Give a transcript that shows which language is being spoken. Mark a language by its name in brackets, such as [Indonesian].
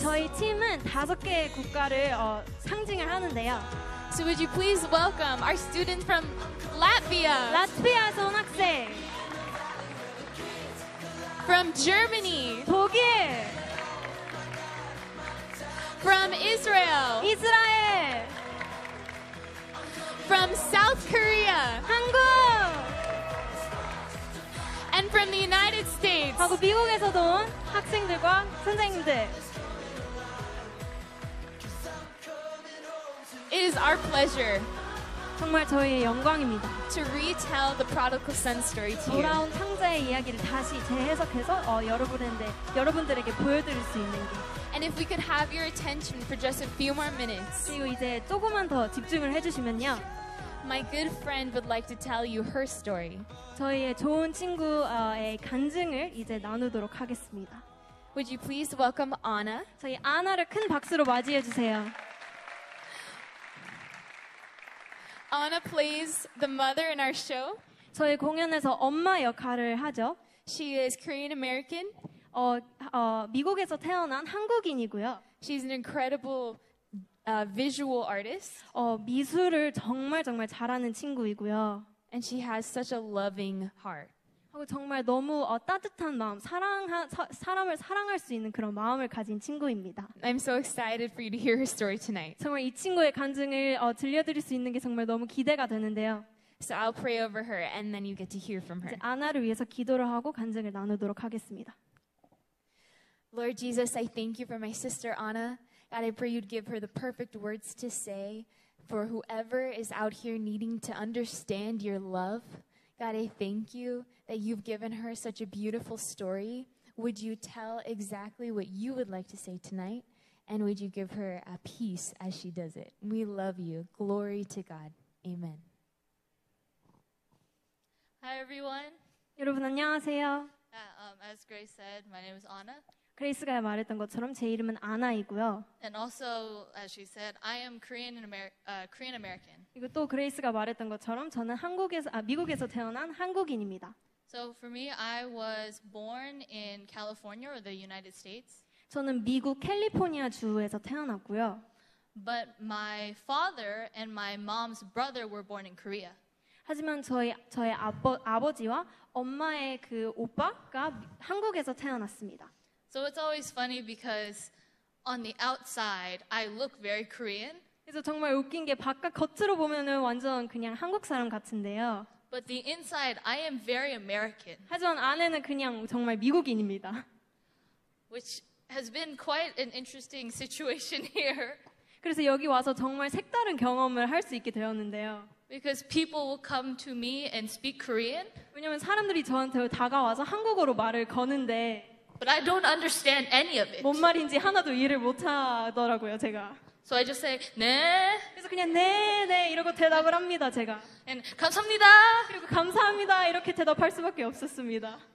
[Korean] 저희 팀은 다섯 개의 국가를 상징을 하는데요. [English] So would you please welcome our student from Latvia? [Korean] 라트비아에서 온 학생. [English] From Germany. [Korean] 독일. [English] From Israel. [Korean] 이스라엘. [English] From South Korea. [Korean] 한국. [English] And from the United States. [Korean] 하고 미국에서도 온 학생들과 선생님들. [English] It is our pleasure. [Korean] 정말 저희의 영광입니다. [English] To retell the prodigal son story to you. [Korean] 돌아온 상자의 이야기를 다시 재해석해서 여러분들에게 보여드릴 수 있는 게. [English] And if we could have your attention for just a few more minutes. [Korean] 그리고 이제 조금만 더 집중을 해주시면요. [English] My good friend would like to tell you her story. [Korean] 저희의 좋은 친구의 간증을 이제 나누도록 하겠습니다. [English] Would you please welcome Annah? [Korean] 저희 Annah를 큰 박수로 맞이해 주세요. [English] Annah plays the mother in our show. [Korean] 저희 공연에서 엄마 역할을 하죠. [English] She is Korean American. [Korean] 미국에서 태어난 한국인이고요. [English] She's an incredible visual artist. [Korean] 미술을 정말 정말 잘하는 친구이고요. [English] And she has such a loving heart. [Korean] 하고 정말 너무 따뜻한 마음, 사람을 사랑할 수 있는 그런 마음을 가진 친구입니다. [English] I'm so excited for you to hear her story tonight. [Korean] 정말 이 친구의 간증을 들려드릴 수 있는 게 정말 너무 기대가 되는데요. [English] So I'll pray over her, and then you get to hear from her. [Korean] 아나를 위해서 기도를 하고 간증을 나누도록 하겠습니다. [English] Lord Jesus, I thank you for my sister Annah. God, I pray you'd give her the perfect words to say for whoever is out here needing to understand your love. God, I thank you that you've given her such a beautiful story. Would you tell exactly what you would like to say tonight? And would you give her a peace as she does it? We love you. Glory to God. Amen. Hi, everyone. [Korean] 여러분, 안녕하세요. [English] As Grace said, my name is Annah. [Korean] 그레이스가 말했던 것처럼 제 이름은 아나이고요. [English] And also, as she said, I am Korean and Korean American. [Korean] 그리고 또 그레이스가 말했던 것처럼 저는 미국에서 태어난 한국인입니다. [English] So for me, I was born in California or the United States. [Korean] 저는 미국 캘리포니아 주에서 태어났고요. [English] But my father and my mom's brother were born in Korea. [Korean] 하지만 저희 아버지와 엄마의 그 오빠가 한국에서 태어났습니다. [English] So it's always funny because on the outside I look very Korean. [Korean] 그래서 정말 웃긴 게 바깥 겉으로 보면은 완전 그냥 한국 사람 같은데요. [English] But the inside I am very American. [Korean] 하지만 안에는 그냥 정말 미국인입니다. [English] Which has been quite an interesting situation here. [Korean] 그래서 여기 와서 정말 색다른 경험을 할 수 있게 되었는데요. [English] Because people will come to me and speak Korean. [Korean] 왜냐면 사람들이 저한테 다가와서 한국어로 말을 거는데 [English] But I don't understand any of it. [Korean] 뭔 말인지 하나도 이해를 못 하더라고요, 제가. [English] So I just say, [Korean] 네. 그래서 그냥 네, 네 이러고 대답을 합니다, 제가. [English] And [Korean] 감사합니다. 그리고 감사합니다 이렇게 대답할 수밖에 없었습니다.